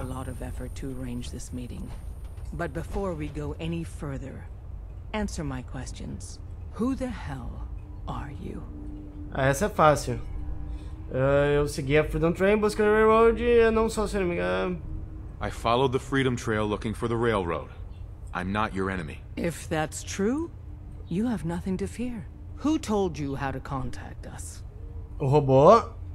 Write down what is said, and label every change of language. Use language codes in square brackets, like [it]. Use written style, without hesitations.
[en] A lot of effort to arrange this meeting. But before we go any further, answer my questions. Who the hell are you? [pt] Ah, essa é fácil. Eu segui a Freedom Trail buscando a Railroad e eu não sou seu inimigo. [en] I followed the Freedom Trail looking for the Railroad. I'm not your enemy. If that's true, you have nothing to fear. Who told you how to contact us? [pt] O robô?